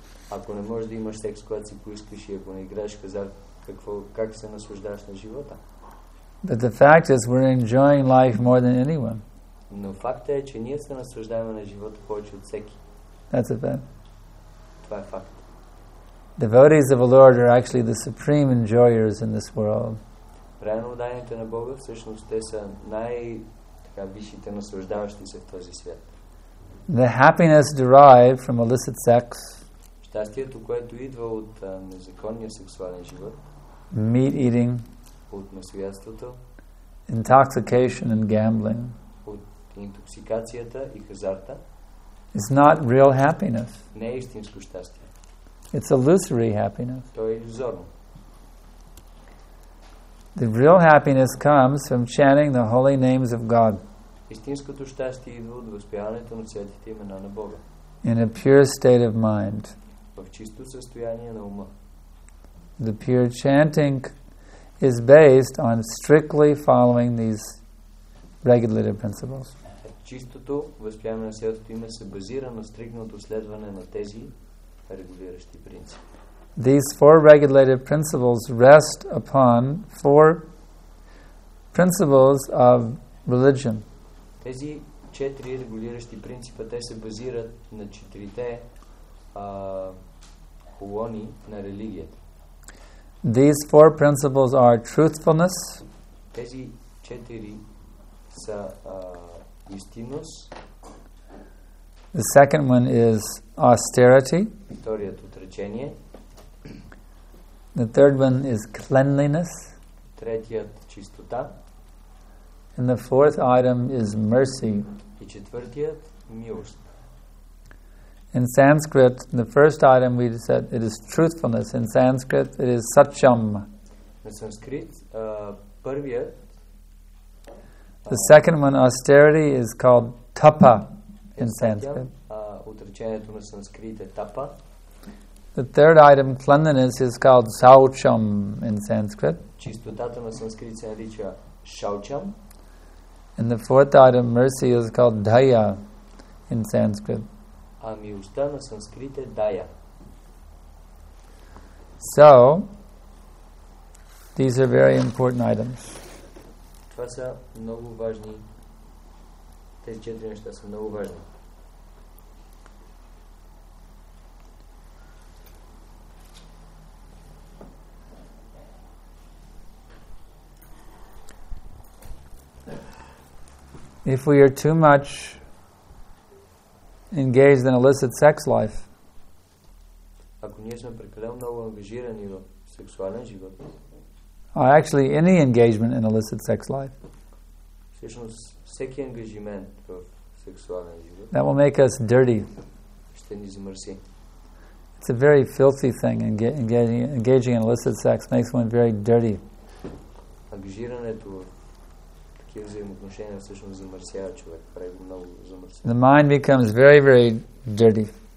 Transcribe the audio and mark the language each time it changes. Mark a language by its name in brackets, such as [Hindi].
[Bulgarian] Ако не можеш да имаш секс, когато си поискаш, и ако не играеш хазарт, как се наслаждаваш на живота? [English] But the fact is we're enjoying life more than anyone. [Bulgarian] Но факт е, че ние се наслаждаваме на живота повече от всеки. [English] That's a fact. [Bulgarian] Това е факт. [English] Devotees of the Lord are actually the supreme enjoyers in this world. [Bulgarian] Реално даяните на Бога, всъщност те са най-висшите наслаждаващи се в този свят. [English] The happiness derived from illicit sex, [Bulgarian] щастието, което идва от незаконния сексуален живот, [English] meat eating, [Bulgarian] от мъсоядството, [English] intoxication and gambling, [Bulgarian] от интоксикацията и хазарта, [English] is not real happiness. [Bulgarian] Не е истинско щастие. [English] It's illusory happiness. [Bulgarian] То е иллюзорно. [English] The real happiness comes from chanting the holy names of God. [Bulgarian] Истинското щастие идва от възпяването на светите имена на Бога. [English] In a pure state of mind. [Bulgarian] В чисто състояние на ума. [English] The pure chanting is based on strictly following these regulative principles. [Bulgarian] Чистото възприемане на Святото име се базира на стриктното следване на тези регулиращи принципи. [English] These four regulative principles rest upon four principles of religion. [Bulgarian] Тези четири регулиращи принципа, те се базират на четирите колони на религията. [English] These four principles are truthfulness. [Bulgarian] Тези четири са истинност. [English] The second one is austerity. [Bulgarian] Вторият отречение. [English] The third one is cleanliness. [Bulgarian] Третият чистота. [English] And the fourth item is mercy. [Bulgarian] И четвъртият милост. [English] In Sanskrit, the first item we said it is truthfulness. In Sanskrit, it is satyam. [Bulgarian] На санскрит първият. [English] The second one, austerity, is called tapa in Sanskrit. [Bulgarian] Отречението на санскрит е тапа. [English] The third item, cleanliness, is called saucham in Sanskrit. [Bulgarian] Чистотата на санскрит се нарича saucham. [English] And the fourth item, mercy, is called daya in Sanskrit. [Bulgarian] А милостта на санскрит е daya. [English] So, these are very important items. [Bulgarian] Това са много важни. Тези четири неща са много важни. [English] If we are too much engaged in illicit sex life, [Bulgarian] ако ние сме прекалено много ангажирани в сексуален живот, [English] or actually any engagement in illicit sex life, [Bulgarian] всъщност всеки ангажимент в сексуален живот, [English] that will make us dirty. [Bulgarian] Ще ни замърси. [English] It's a very filthy thing. Engaging in illicit sex makes one very dirty. [Bulgarian] Ангажирането взаимоотношения всъщност замърсява човек, прави го много замърсява. [English] The mind becomes very, very dirty.